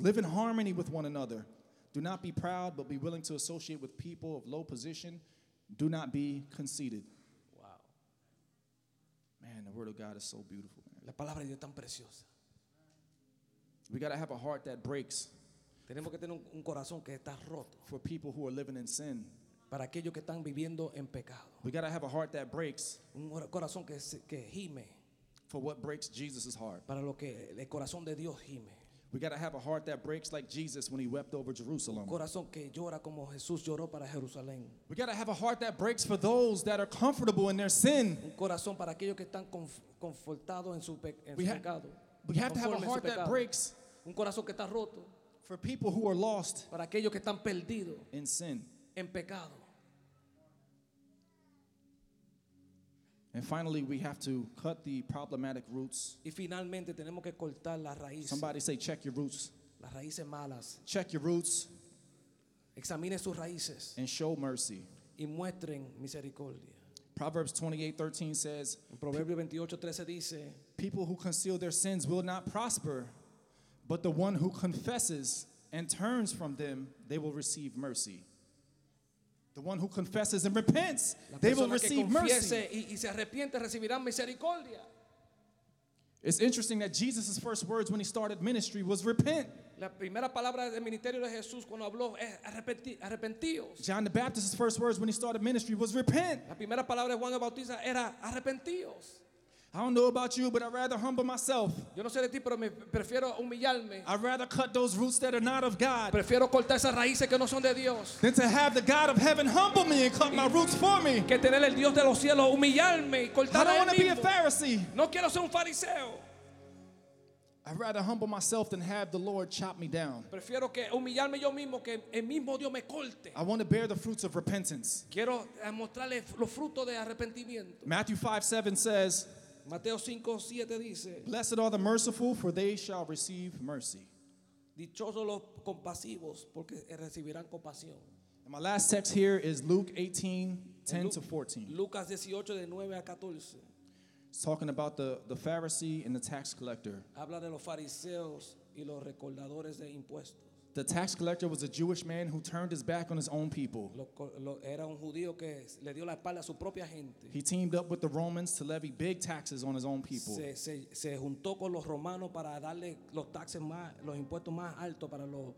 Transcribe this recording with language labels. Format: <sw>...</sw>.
<en>Live in harmony with one another. Do not be proud, but be willing to associate with people of low position. Do not be conceited. Wow. Man, the word of God is so beautiful. Man.</en> <es>La palabra de Dios tan preciosa.</es> <en>We got to have a heart that breaks.</en> <es>Tenemos que tener un corazón que está roto.</es> <en>For people who are living in sin.</en> <es>Para aquellos que están viviendo en pecado.</es> <en>We got to have a heart that breaks.</en> <es>Un corazón que gime.</es> <en>For what breaks Jesus' heart.</en> <es>Para lo que el corazón de Dios gime.</es> <en>We got to have a heart that breaks like Jesus when he wept over Jerusalem.</en> <es>Corazón que llora como Jesús lloró para Jerusalén.</es> <en>We got to have a heart that breaks for those that are comfortable in their sin.</en> <es>Un corazón para aquellos que están confortados en su pecado.</es> <en>We have to have a heart that breaks.</en> <es>Un corazón que está roto.</es> <en>For people who are lost.</en> <es>Para aquellos que están perdidos.</es> <en>In sin.</en> <es>En pecado.</es> <en>And finally, we have to cut the problematic roots.</en> <es>Y finalmente tenemos que cortar las raíces.</es> <en>Somebody say, check your roots.</en> <es>Las raíces malas.</es> <en>Check your roots.</en> <es>Examine sus raíces.</es> <en>And show mercy.</en> <es>Y muestren misericordia.</es> <en>Proverbs 28:13 says,</en> <es>en Proverbios 28:13 dice,</es> <en>people who conceal their sins will not prosper, but the one who confesses and turns from them, they will receive mercy. The one who confesses and repents, they will receive mercy.</en> <es>Y se arrepiente, recibirán misericordia.</es> <en>It's interesting that Jesus' first words when he started ministry was repent.</en> <es>La primera palabra del ministerio de Jesús cuando habló es arrepentíos.</es> <en>John the Baptist's first words when he started ministry was repent.</en> <es>La primera palabra de Juan el Bautista era arrepentíos.</es> <en>I don't know about you, but I'd rather humble myself.</en> <es>Yo no sé de ti, pero me prefiero humillarme.</es> <en>I'd rather cut those roots that are not of God.</en> <es>Prefiero cortar esas raíces que no son de Dios.</es> <en>Than to have the God of heaven humble me and cut my roots for me.</en> <es>Que tener el Dios de los cielos humillarme y cortar.</es> <en>I don't want to be a Pharisee.</en> <es>No quiero ser un fariseo.</es> <en>I'd rather humble myself than have the Lord chop me down.</en> <es>Prefiero que humillarme yo mismo que el mismo Dios me corte.</es> <en>I want to bear the fruits of repentance.</en> <es>Quiero mostrarle los frutos de arrepentimiento.</es> <en>Matthew 5:7 says.</en> <es>Mateo 5:7 dice,</es> <en>blessed are the merciful, for they shall receive mercy.</en> <es>Dichosos los compasivos, porque recibirán compasión.</es> <en>And my last text here is Luke 18:10-14.</en> <es>Lucas 18, de 9 a 14.</es> <en>It's talking about the Pharisee and the tax collector.</en> <es>Habla de los fariseos y los recaudadores de impuestos.</es> <en>The tax collector was a Jewish man who turned his back on his own people.</en> <es>Era un judío que le dio la espalda a su propia gente.</es> <en>He teamed up with the Romans to levy big taxes on his own people.</en> <es>Se juntó con los romanos para darle los taxes más, los impuestos más altos para los.</es>